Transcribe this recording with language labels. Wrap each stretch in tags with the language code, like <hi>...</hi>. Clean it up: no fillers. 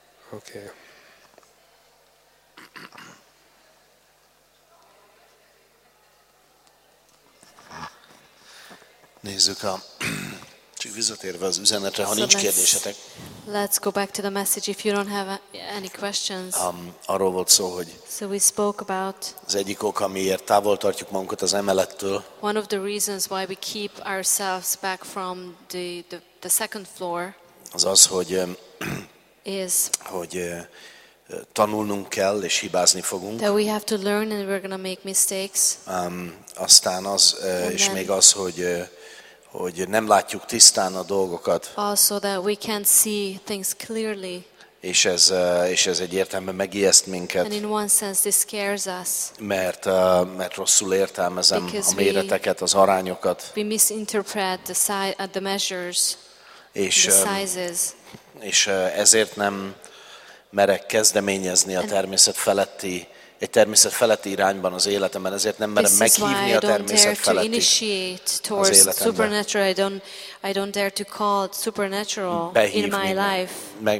<en>Okay.</en> <hu>Nézzük a... Csak visszatérve az üzenetre, ha nincs kérdésetek.</hu> <en>Let's go back to the message if you don't have any questions.</en> <hu>Arról volt szó, hogy</hu> <en>so we spoke about</en> <hu>az egyik ok, amiért távol tartjuk magunkat az emelettől.</hu> <en>One of the reasons why we keep ourselves back from the second floor.</en> <hu>Az az, hogy</hu> <en>is</en> <hu>hogy tanulnunk kell és hibázni fogunk.</hu> <en>That we have to learn and we're gonna make mistakes.</en> <hu>Aztán az és még az, hogy nem látjuk tisztán a dolgokat.</hu> <en>Also that we can't see things clearly.</en> <hu>És ez egy értelme megijeszt minket.</hu> <en>And in one sense this scares us.</en> <hu>Mert rosszul értelmezem a méreteket, az arányokat.</hu> <en>We misinterpret the measures.</en> <hu>És</hu> <en>the sizes.</en> <hu>És ezért nem merek kezdeményezni a természet feletti. Egy természet feletti irányban az életemben, ezért nem merem meghívni a természet feletti az életemben.</hu> <en>I don't dare to call it supernatural in my life.</en>